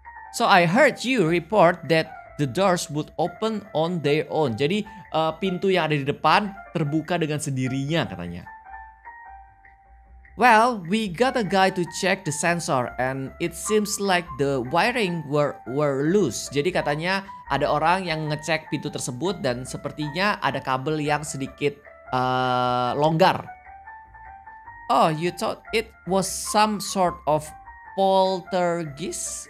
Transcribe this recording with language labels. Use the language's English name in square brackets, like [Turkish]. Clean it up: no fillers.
[English] So I heard you report that the doors would open on their own. [Indonesian] Jadi pintu yang ada di depan terbuka dengan sendirinya katanya. [English] Well, we got a guy to check the sensor and it seems like the wiring were loose. [Indonesian] Jadi katanya ada orang yang ngecek pintu tersebut dan sepertinya ada kabel yang sedikit longgar. [English] Oh, you thought it was some sort of poltergeist?